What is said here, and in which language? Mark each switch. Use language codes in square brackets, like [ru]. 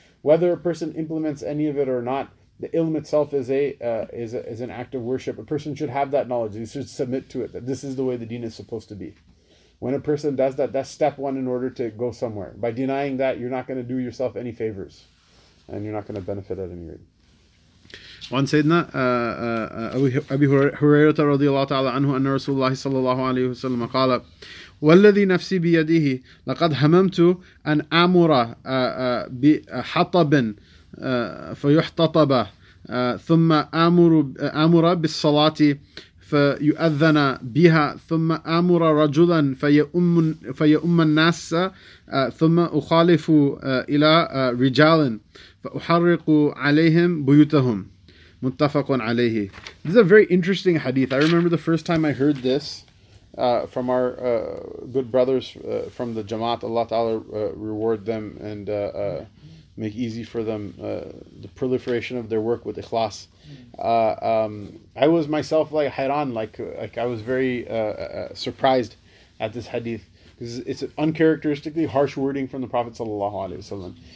[en] Whether a person implements any of it or not, the ilm itself is an act of worship. A person should have that knowledge. He should submit to it, that this is the way the deen is supposed to be. When a person does that, that's step one in order to go somewhere. By denying that, you're not going to do yourself any favors, and you're not going to benefit at any rate. [ar] One Sayyidina, Abi Hurairah radiallahu ta'ala anhu, anna Rasulullah sallallahu alayhi wa sallam qala, والذي نفسي بيده لقد هممت أن أمر بحطب فيحتطب ثم أمر بالصلاة فيؤذن بها ثم أمر رجلا فيؤم الناس ثم أخالف إلى رجال فأحرق عليهم بيوتهم. متفق عليه. [en] This is a very interesting hadith. I remember the first time I heard this from our good brothers from the Jamaat. Allah Ta'ala reward them and make easy for them the proliferation of their work with ikhlas. I was myself like hayran, like I was very surprised at this hadith, because it's an uncharacteristically harsh wording from the Prophet Sallallahu Alaihi Wasallam.